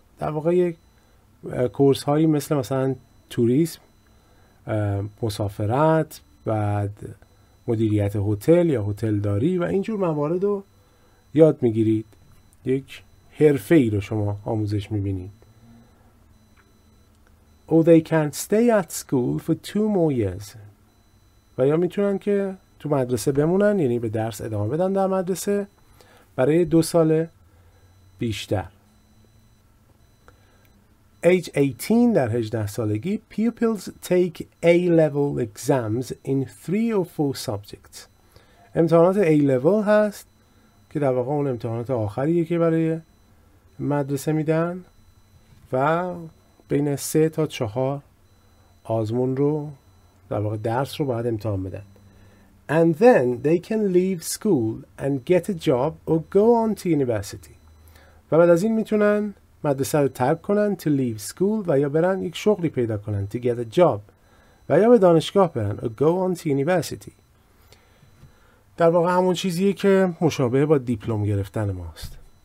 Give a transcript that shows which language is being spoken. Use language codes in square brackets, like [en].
[fa] در واقع یک کورس هایی مثل مثلا توریسم، مسافرت، بعد مدیریت هتل یا هتلداری و اینجور موارد رو یاد میگیرید. یک حرفه ای رو شما آموزش میبینید. [en] Or they can stay at school for two more years. [fa] و یا میتونن که تو مدرسه بمونن، یعنی به درس ادامه بدن در مدرسه برای دو سال بیشتر. [en] Age 18, [fa] در 18 سالگی, [en] pupils take A-level exams in 3 or 4 subjects. [fa] امتحانات A-level هست که در واقع اون امتحانات آخریه که برای مدرسه میدن و بین 3 تا 4 آزمون رو در واقع درس رو باید امتحان بدن. [en] And then they can leave school and get a job or go on to university. [fa] و بعد از این میتونن مدرسه رو ترک کنن [en] to leave school [fa] و یا برن یک شغلی پیدا کنن [en] to get a job [fa] و یا به دانشگاه برن [en] or go on to university. [fa] در واقع همون چیزیه که مشابه با دیپلم گرفتن ماست.